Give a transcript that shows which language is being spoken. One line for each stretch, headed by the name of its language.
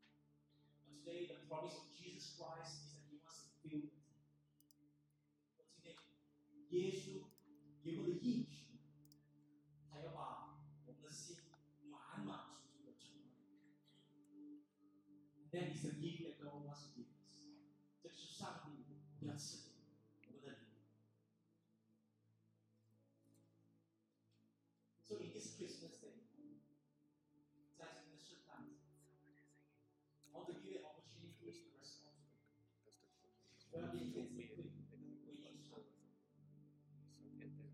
English: But today, the promise of Jesus Christ is that He wants to fill.
Chinese: 耶稣给我的应许，他要把我们的心满满足足的充满。
English: That is the gift that God wants to give us.
Chinese: 这是上帝要赐给我们的礼物。
English: So in this Christmas day,
Chinese: 在今天的圣诞节
English: ，I want to give you an opportunity to respond to it.
Chinese: 我要给你一个机会回应上帝。